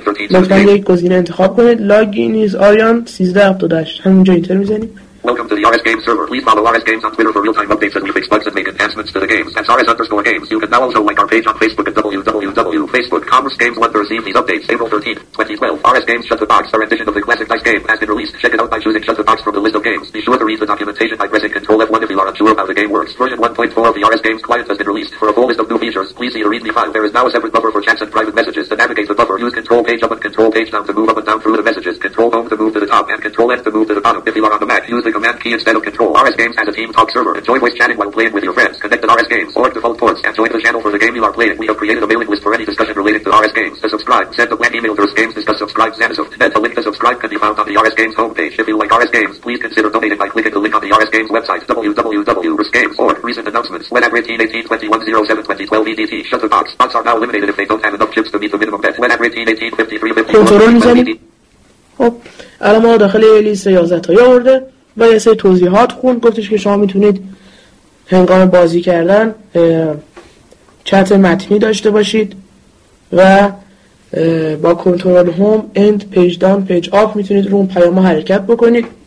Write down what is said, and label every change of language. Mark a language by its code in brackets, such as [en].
[fa] مفتن یک گزینه انتخاب کنید، لاگین از آریان 13.8، همونجا اینتر میزنیم. [en] Welcome to the RS Games server. Please follow RS Games on Twitter for real-time updates and new fix bugs and make enhancements to the games. That's RS_games. You can now also like our page on Facebook at www.facebook.com/games1. Receive these updates April 13, 2012. RS Games Shut the Box, a rendition of the classic dice game, has been released. Check it out by choosing Shut the Box from the list of games. Be sure to read the documentation by pressing Ctrl F1 if you are unsure of how the game works. Version 1.4 of the RS Games client has been released. For a full list of new features, please see the README file. There is now a separate buffer for chats and private messages. To navigate the buffer, use Ctrl Page Up and Ctrl Page Down to move up and down through the messages. Ctrl Home to move to the top and Ctrl F to move to the bottom. If you are on the Mac, use the the command key instead of control. RS Games has a team talk server. Enjoy voice chatting while playing with your friends. Connect to RS Games or default ports and join the channel for the game you are playing. We have created a mailing list for any discussion related to RS Games. To subscribe, send a plan email to RS Games Discuss Subscribe Zanisoft. Then the link to subscribe can be found on the RS Games homepage. If you like RS Games, please consider donating by clicking the link on the RS Games website, www.rsgames. Or recent announcements. When at 18182107-2012 EDT, shut the box. Bots are now eliminated if they don't have enough chips to meet the minimum bet. When at 18183-51-12 EDT. [fa] خب الان ما داخل یه لیست 11 تا یارده و یه سری توضیحات خوند، گفتش که شما میتونید هنگام بازی کردن چت متنی داشته باشید و با کنترل هوم اند پیج داون پیج آف میتونید رو اون پیام حرکت بکنید